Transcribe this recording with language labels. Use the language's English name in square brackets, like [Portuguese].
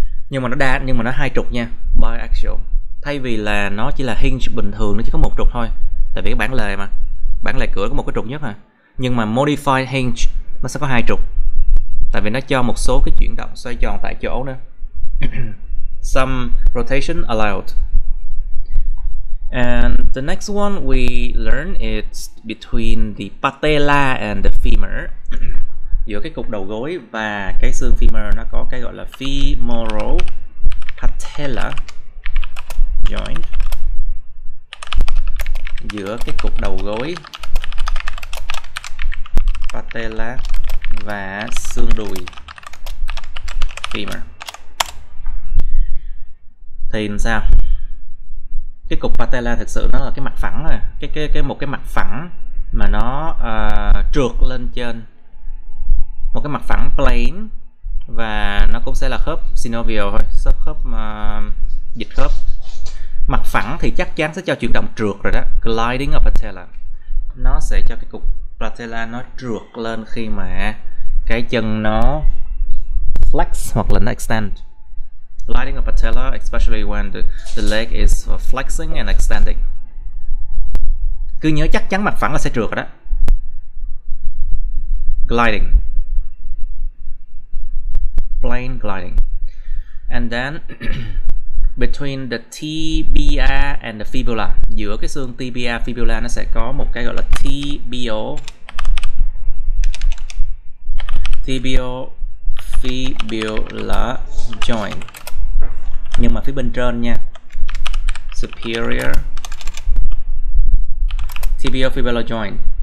[Vietnamese] Nhưng mà nó hai trục nha, biaxial, thay vì là nó chỉ là hinge bình thường, nó chỉ có một trục thôi, tại vì cái bản lề mà bản lề cửa có một cái trục nhất mà. Nhưng mà modified hinge nó sẽ có hai trục, tại vì nó cho một số cái chuyển động xoay tròn tại chỗ nữa. [English] Some rotation allowed. And the next one we learn is between the patella and the femur. [Vietnamese] Giữa cái cục đầu gối và cái xương femur, nó có cái gọi là femoral patella joint. Giữa cái cục đầu gối, patella và xương đùi femur, thì làm sao? Cái cục patella thực sự nó là cái mặt phẳng rồi, cái một cái mặt phẳng mà nó trượt lên trên, một cái mặt phẳng plane, và nó cũng sẽ là khớp synovial thôi, khớp dịch khớp. Mặt phẳng thì chắc chắn sẽ cho chuyển động trượt rồi đó, gliding of patella. Nó sẽ cho cái cục patella nó trượt lên khi mà cái chân nó flex hoặc là nó extend. [English] Gliding of patella, especially when the leg is flexing and extending. [Vietnamese] Cứ nhớ chắc chắn mặt phẳng là sẽ trượt rồi đó. [English] Gliding. [Vietnamese] Plane gliding. [English] And then between the tibia and the fibula, [Vietnamese] giữa cái xương tibia fibula nó sẽ có một cái gọi là tibio, tibio fibula joint, nhưng mà phía bên trên nha, superior tibio fibula joint,